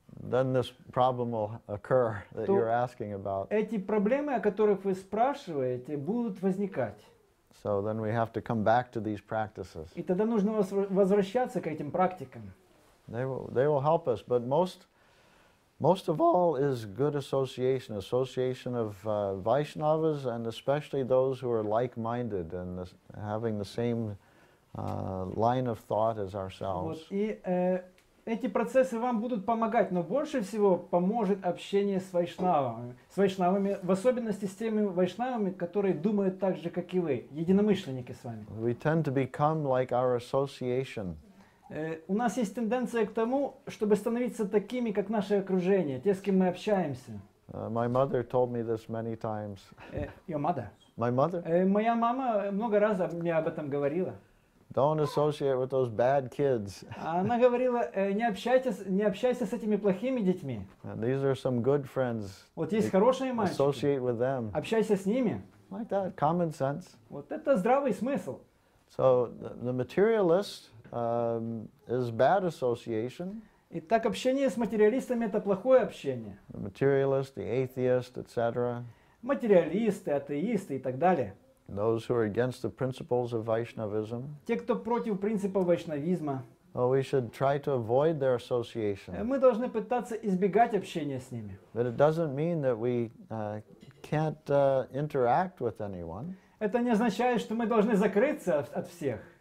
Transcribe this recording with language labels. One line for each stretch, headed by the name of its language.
English: Then this problem will occur that you're asking about.
Russian: Эти проблемы, о которых вы спрашиваете, будут возникать.
English: So then we have to come back to these practices.
Russian: И тогда нужно возвращаться к этим практикам.
English: They will help us. But most of all is good association of Vaishnavas, and especially those who are like-minded and having the same line of thought as ourselves.
Russian: Эти процессы вам будут помогать, но больше всего поможет общение с вайшнавами. С вайшнавами, в особенности с теми вайшнавами, которые думают так же, как и вы, единомышленники с вами.
English: We tend to become like our association.
Russian: У нас есть тенденция к тому, чтобы становиться такими, как наше окружение, те, с кем мы общаемся.
English: My mother told me this many times. Your mother? My mother?
Russian: Моя мама много раз мне об этом говорила.
English: Don't associate with those bad kids.
Russian: Она говорила, не общайся с этими плохими детьми.
English: And these are some good friends.
Russian: Вот есть хорошие мальчики.
English: Associate with them.
Russian: Общайся с ними.
English: Like that, common sense.
Russian: Вот это здравый смысл.
English: So the materialist is bad association.
Russian: Итак, общение с материалистами — это плохое общение.
English: The materialist, the atheist, etc.
Russian: Материалисты, атеисты и так далее.
English: Those who are against the principles of Vaishnavism.
Russian: Те, кто против принципов вайшнавизма.
English: Well, we should try to avoid their association.
Russian: Мы должны пытаться избегать общения с ними.
English: But it doesn't mean that we can't interact with anyone.
Russian: Это не означает, что мы должны закрыться от всех.